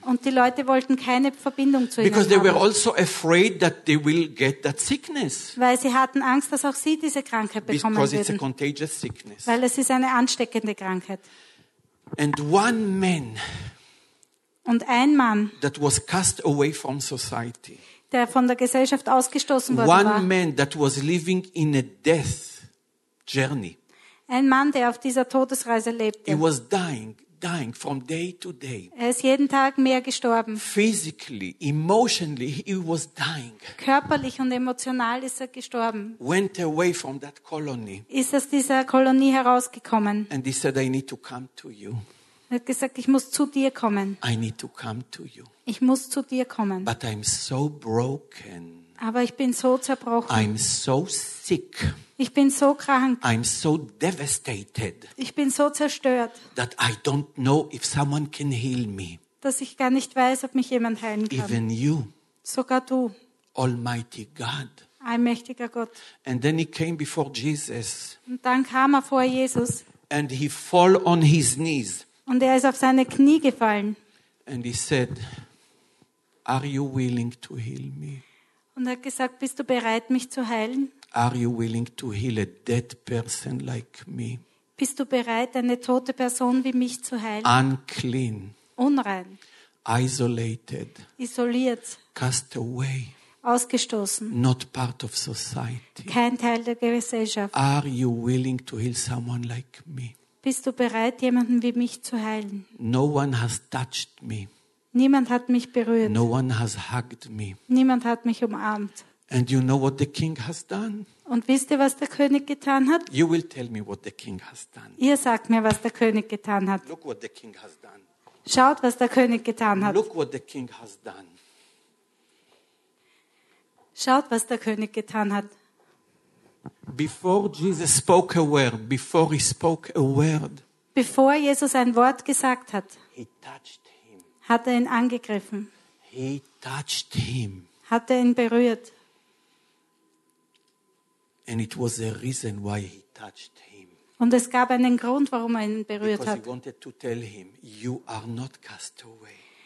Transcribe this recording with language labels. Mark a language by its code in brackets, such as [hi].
[de] Und die Leute wollten keine Verbindung zu ihnen haben. [en] Because they were also afraid that they will get that sickness. [de] Weil sie hatten Angst, dass auch sie diese Krankheit bekommen würden. [en] Because it's a contagious sickness. [de] Weil es ist eine ansteckende Krankheit. [en] And one man. [de] Und ein Mann. [en] That was cast away from society. [de] Der von der Gesellschaft ausgestoßen worden [en] one [de] war. [en] One man that was living in a death journey. [de] Ein Mann, der auf dieser Todesreise lebte. [en] He was dying from day to day. [de] Er ist jeden Tag mehr gestorben. [en] Physically, emotionally, he was dying. [de] Körperlich und emotional ist er gestorben. [en] Went away from that colony. [de] Ist aus dieser Kolonie herausgekommen. [en] And he said, I need to come to you. [de] Er hat gesagt, ich muss zu dir kommen. [en] I need to come to you. [de] Ich muss zu dir kommen. [en] But I'm so broken. [de] Aber ich bin so zerbrochen. [en] I'm so sick. [de] Ich bin so krank. [en] I'm so devastated. [de] Ich bin so zerstört. [en] That I don't know if someone can heal me. [de] Dass ich gar nicht weiß, ob mich jemand heilen kann. [en] Even you. [de] Sogar du. [en] Almighty God. [de] Allmächtiger Gott. [en] And then he came before Jesus. [de] Und dann kam er vor Jesus. [en] And he fell on his knees. [de] Und er ist auf seine Knie gefallen. [en] And he said, "Are you willing to heal me?" [de] Und er hat gesagt, bist du bereit, mich zu heilen? [en] Are you willing to heal a dead person like me? [de] Bist du bereit, eine tote Person wie mich zu heilen? [en] Unclean. [de] Unrein. [en] Isolated. [de] Isoliert. [en] Cast away. [de] Ausgestoßen. [en] Not part of society. [de] Kein Teil der Gesellschaft. [en] Are you willing to heal someone like me? [de] Bist du bereit, jemanden wie mich zu heilen? [en] No one has touched me. [de] Niemand hat mich berührt. [en] No one has hugged me. [de] Niemand hat mich umarmt. [en] And you know what the king has done? [de] Und wisst ihr, was der König getan hat? [en] You will tell me what the king has done. [de] Ihr sagt mir, was der König getan hat. [en] Look what the king has done. [de] Schaut, was der König getan hat. [en] Look what the king has done. [de] Schaut, was der König getan hat. [en] Before Jesus spoke a word, before he spoke a word. [de] Bevor Jesus ein Wort gesagt hat. [en] He touched him. [de] Hat er ihn angegriffen? [en] He touched him. [de] Hat er ihn berührt? [en] And it was a reason why he touched him. [de] Und es gab einen Grund, warum er ihn berührt [en] because [de] hat. [en] Because he wanted to tell him, you are not cast away.